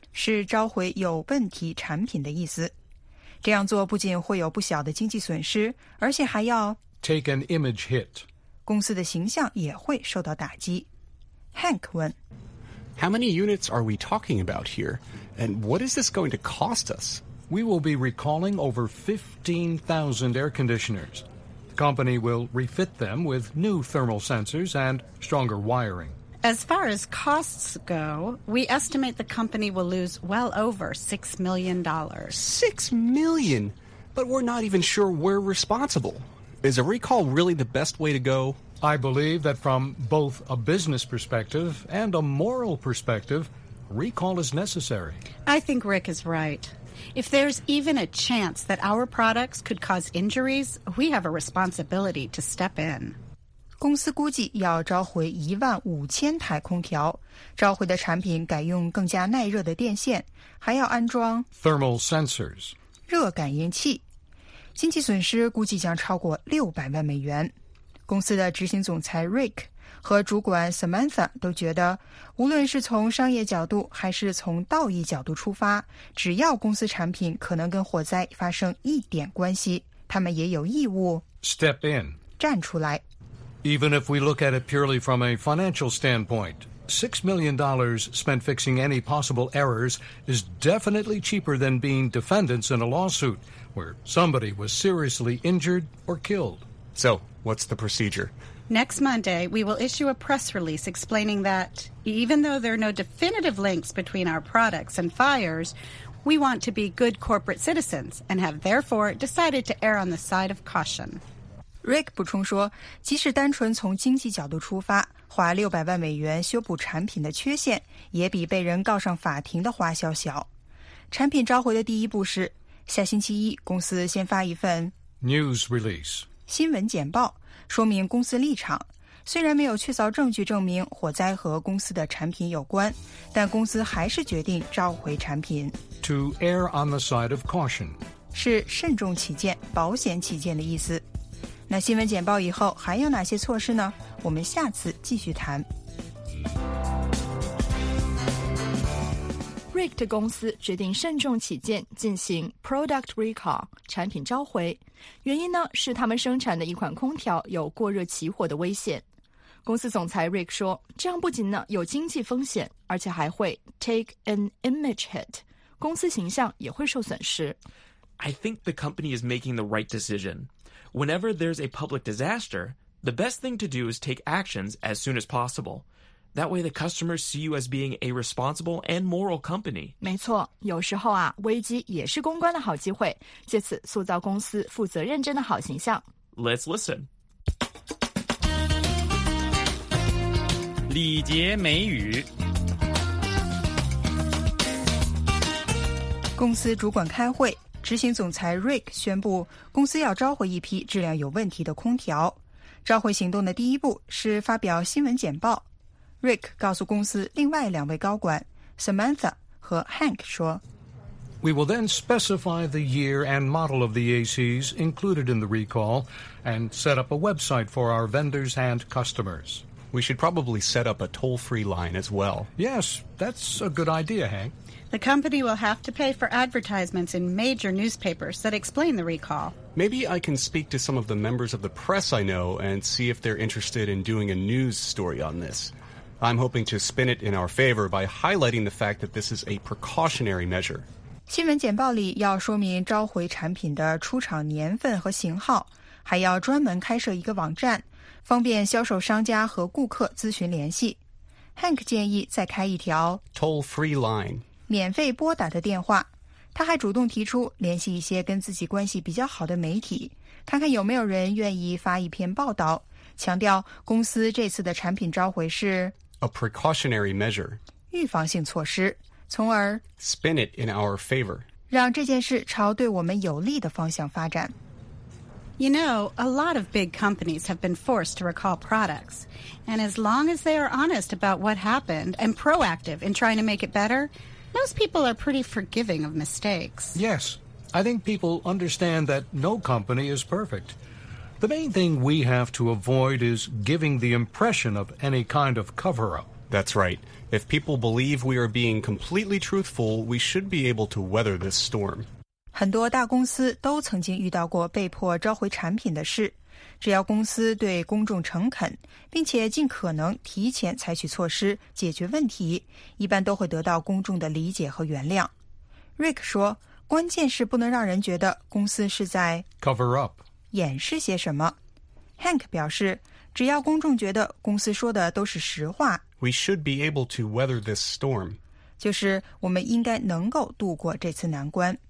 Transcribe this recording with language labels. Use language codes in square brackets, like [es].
[zh] 是召回有问题产品的意思。这样做不仅会有不小的经济损失，而且还要 [en] take an image hit， [zh] 公司的形象也会受到打击。 Hank 问， [en] How many units are we talking about here? And what is this going to cost us? We will be recalling over 15,000 air conditioners. The company will refit them with new thermal sensors and stronger wiring. As far as costs go, we estimate the company will lose well over $6 million. $6 million? But we're not even sure we're responsible. Is a recall really the best way to go? I believe that from both a business perspective and a moral perspective, recall is necessary. I think Rick is right. If there's even a chance that our products could cause injuries, we have a responsibility to step in. [zh] 公司估计要召回15,000台空调，召回的产品改用更加耐热的电线，还要安装 [en] thermal sensors [zh] 热感应器。经济损失估计将超过$6,000,000。公司的执行总裁 Rick 和主管 Samantha 都觉得，无论是从商业角度还是从道义角度出发，只要公司产品可能跟火灾发生一点关系，他们也有义务 [en] step in [zh] 站出来。 [en] Even if we look at it purely from a financial standpoint, $6 million spent fixing any possible errors is definitely cheaper than being defendants in a lawsuit where somebody was seriously injured or killed. So, what's the procedure? Next Monday, we will issue a press release explaining that even though there are no definitive links between our products and fires, we want to be good corporate citizens and have therefore decided to err on the side of caution. [zh] Rick 补充说，即使单纯从经济角度出发，花$6,000,000修补产品的缺陷，也比被人告上法庭的花销小。产品召回的第一步是，下星期一公司先发一份 news release 新闻简报，说明公司立场。虽然没有确凿证据证明火灾和公司的产品有关，但公司还是决定召回产品。 [en] To err on the side of caution [zh] 是慎重起见、保险起见的意思。那新闻简报以后还有哪些措施呢？我们下次继续谈。 Rick 的公司决定慎重起见，进行 [en] product recall [zh] 产品召回，原因呢是他们生产的一款空调有过热起火的危险。公司总裁 Rick 说，这样不仅呢有经济风险，而且还会 [en] take an image hit， [zh] 公司形象也会受损失。 [en] I think the company is making the right decision. Whenever there's a public disaster, the best thing to do is take actions as soon as possible. That way the customers see you as being a responsible and moral company. [zh] 没错，有时候啊，危机也是公关的好机会，借此塑造公司负责认真的好形象。 [en] Let's listen. [zh] 礼节美语。公司主管开会。执行总裁 Rick 宣布公司要召回一批质量有问题的空调。召回行动的第一步是发表新闻简报。Rick 告诉公司另外两位高管 Samantha 和 Hank 说 [en] We will then specify the year and model of the ACs included in the recall and set up a website for our vendors and customers. We should probably set up a toll-free line as well. Yes, that's a good idea, Hank. The company will have to pay for advertisements in major newspapers that explain the recall. Maybe I can speak to some of the members of the press I know and see if they're interested in doing a news story on this. I'm hoping to spin it in our favor by highlighting the fact that this is a precautionary measure. [zh] 新闻简报里要说明召回产品的出厂年份和型号，还要专门开设一个网站，方便销售商家和顾客咨询联系。 Hank 建议再开一条 [en] toll-free line. [zh] 免费拨打的电话，他还主动提出联系一些跟自己关系比较好的媒体，看看有没有人愿意发一篇报道，强调公司这次的产品召回是 [en] a precautionary measure [zh] 预防性措施，从而 [en] spin it in our favor [zh] 让这件事朝对我们有利的方向发展。 [en] You know, a lot of big companies have been forced to recall products. And as long as they are honest about what happened and proactive in trying to make it betterMost people are pretty forgiving of mistakes. Yes, I think people understand that no company is perfect. The main thing we have to avoid is giving the impression of any kind of cover-up. That's right. If people believe we are being completely truthful, we should be able to weather this storm. [zh] 很多大公司都曾经遇到过被迫召回产品的事。只要公司对公众诚恳，并且尽可能提前采取措施解决问题，一般都会得到公众的理解和原谅。 Rick 说，关键是不能让人觉得公司是在 [en] cover up [zh] 掩饰些什么。 Hank 表示，只要公众觉得公司说的都是实话， [en] We should be able to weather this storm. [zh] 就是我们应该能够度过这次难关。